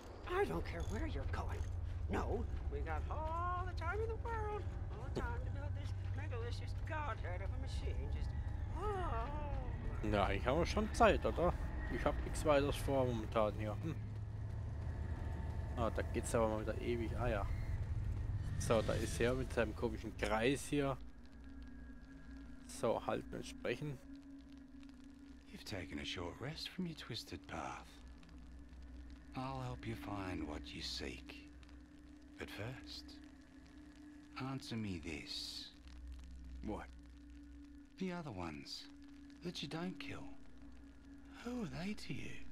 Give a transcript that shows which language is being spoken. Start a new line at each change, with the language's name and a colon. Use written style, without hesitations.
English: I don't care where you're going. No, we got all the time in the world. All the time to build this megalicious godhead of a machine. Just, oh.
German: Na, ich habe schon Zeit, oder? Ich habe nichts weiteres vor momentan hier. Ah, da geht's aber mal wieder ewig. Ah ja. So, da ist er mit seinem komischen Kreis hier. So, halten und sprechen.
English: You've taken a short rest from your twisted path. I'll help you find what you seek. But first, answer me this. What? The other ones that you don't kill. Who are they to you?